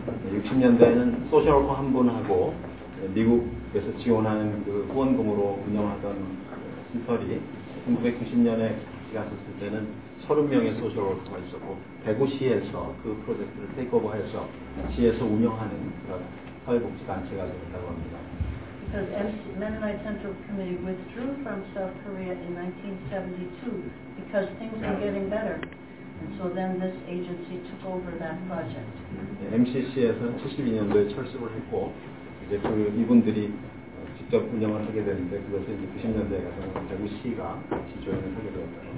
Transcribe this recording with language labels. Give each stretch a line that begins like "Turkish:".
Korean: 60년대에는 소셜 워커 한 분하고 미국에서 지원하는 그 후원금으로 운영하던 시설이 1990년에 지갔었을 때는 30명의 소셜 워커가 있었고 대구 시에서 그 프로젝트를 테이크오버해서 시에서 운영하는 그런 사회복지 단체가 된다고 합니다.
English: Because Mennonite Central Committee withdrew from South Korea in 1972 because things were getting better, and so then this agency took over that project.
Korean: MCC에서는 72년도에 철수를 했고 이제 그 이분들이 직접 운영을 하게 되는데 그것을 이제 90년대에 가서 대구 시가 같이 조인을 하게 되었다.